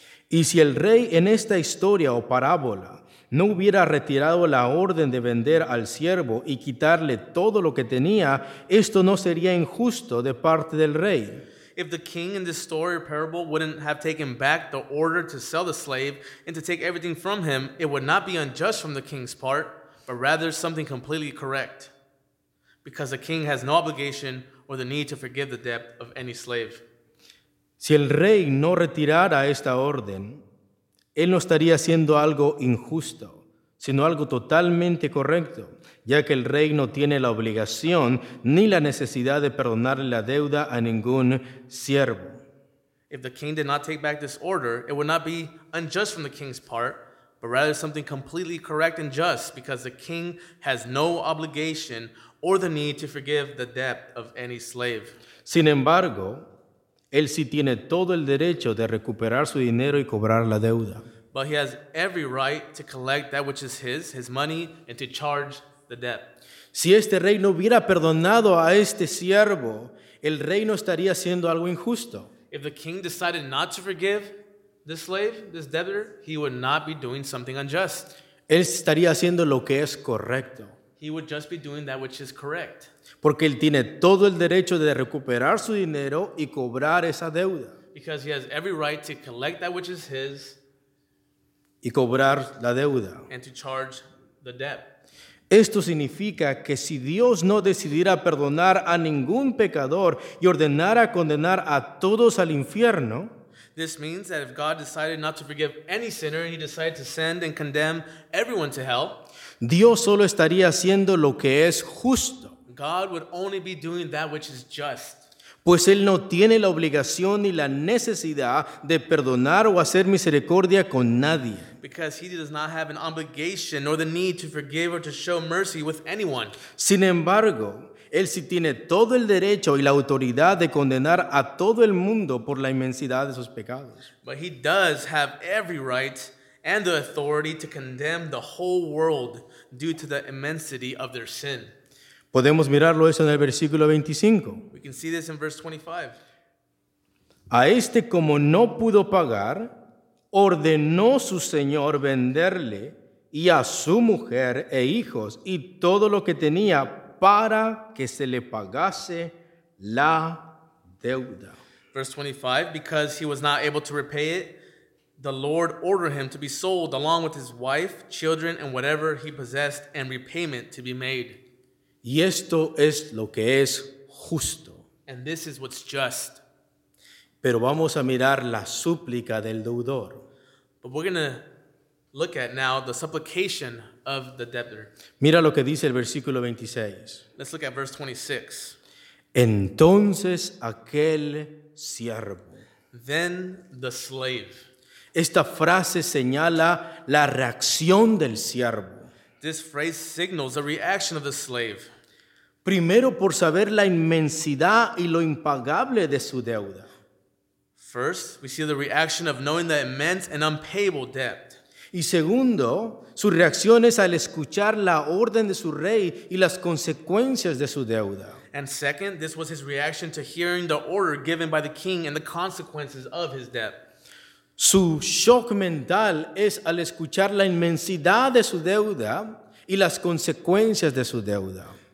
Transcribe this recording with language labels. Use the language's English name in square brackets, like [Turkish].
[Spanish] Y si el rey en esta historia o parábola no hubiera retirado la orden de vender al siervo y quitarle todo lo que tenía, esto no sería injusto de parte del rey. [English] If the king in this story or parable wouldn't have taken back the order to sell the slave and to take everything from him, it would not be unjust from the king's part, but rather something completely correct, because the king has no obligation or the need to forgive the debt of any slave. [Spanish] Si el rey no retirara esta orden, él no estaría haciendo algo injusto, sino algo totalmente correcto, ya que el rey no tiene la obligación ni la necesidad de perdonarle la deuda a ningún siervo. [English] If the king did not take back this order, it would not be unjust from the king's part, but rather something completely correct and just, because the king has no obligation or the need to forgive the debt of any slave. [Spanish] Sin embargo, él sí tiene todo el derecho de recuperar su dinero y cobrar la deuda. [English] But he has every right to collect that which is his money, and to charge the debt. [Spanish] Si este rey no hubiera perdonado a este siervo, el rey no estaría haciendo algo injusto. [English] If the king decided not to forgive this slave, this debtor, he would not be doing something unjust. [Spanish] Él estaría haciendo lo que es correcto. [English] He would just be doing that which is correct. [Spanish] Porque él tiene todo el derecho de recuperar su dinero y cobrar esa deuda. [English] Because he has every right to collect that which is his. [Spanish] Y cobrar la deuda. [English] And to charge the debt. [Spanish] Esto significa que si Dios no decidiera perdonar a ningún pecador y ordenara condenar a todos al infierno. [English] This means that if God decided not to forgive any sinner and he decided to send and condemn everyone to hell. [Spanish] Dios solo estaría haciendo lo que es justo. [English] God would only be doing that which is just. [Spanish] Pues él no tiene la obligación ni la necesidad de perdonar o hacer misericordia con nadie. [English] Because he does not have an obligation nor the need to forgive or to show mercy with anyone. [Spanish] Sin embargo, él sí tiene todo el derecho y la autoridad de condenar a todo el mundo por la inmensidad de sus pecados. [English] But he does have every right and the authority to condemn the whole world due to the immensity of their sin. [Spanish] Podemos mirarlo eso en el versículo 25. [English] We can see this in verse 25. [Spanish] A este, como no pudo pagar, ordenó su señor venderle y a su mujer e hijos y todo lo que tenía para que se le pagase la deuda. [English] Verse 25, because he was not able to repay it, the Lord ordered him to be sold along with his wife, children, and whatever he possessed, and repayment to be made. [Spanish] Y esto es lo que es justo. [English] And this is what's just. [Spanish] Pero vamos a mirar la súplica del deudor. [English] But we're going to look at now the supplication of the debtor. [Spanish] Mira lo que dice el versículo 26. [English] Let's look at verse 26. [Spanish] Entonces aquel siervo. [English] Then the slave. [Spanish] Esta frase señala la reacción del siervo. [English] This phrase signals the reaction of the slave. [Spanish] Primero, por saber la inmensidad y lo impagable de su deuda. [English] First, we see the reaction of knowing the immense and unpayable debt. [Spanish] Y segundo, sus reacciones al escuchar la orden de su rey y las consecuencias de su deuda. [English] And second, this was his reaction to hearing the order given by the king and the consequences of his debt. [Spanish] Su shock mental es al escuchar la inmensidad de su deuda y las consecuencias de su deuda.